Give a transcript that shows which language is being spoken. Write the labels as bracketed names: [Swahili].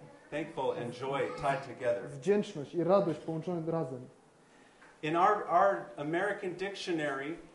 [English] Thankful and joy tied together. [Polish] Wdzięczność i radość połączone razem. [English] In our American dictionary,